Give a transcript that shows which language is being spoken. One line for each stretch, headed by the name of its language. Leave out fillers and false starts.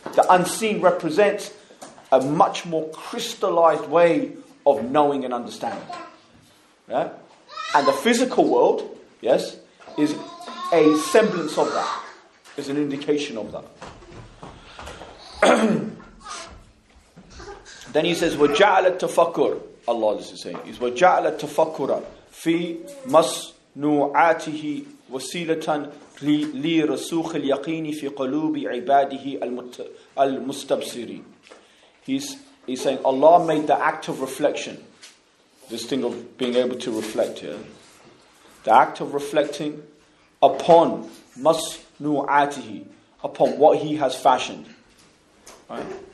English: The unseen represents a much more crystallized way of knowing and understanding. Yeah? And the physical world, yes, is a semblance of that, is an indication of that. Then he says,
Arabic: وَجَعَلَ التَّفَكُرُ,
English: Allah is saying, is
Arabic: وَجَعَلَ التَّفَكُرَ فِي مَصْنُوعَاتِهِ وَسِيلَةً لِرَسُوخِ الْيَقِينِ فِي قَلُوبِ عِبَادِهِ الْمُسْتَبْصِرِينَ.
English: He's saying, Allah made the act of reflection, this thing of being able to reflect here, the act of reflecting upon مَصْنُوعَاتِهِ, upon what he has fashioned, right?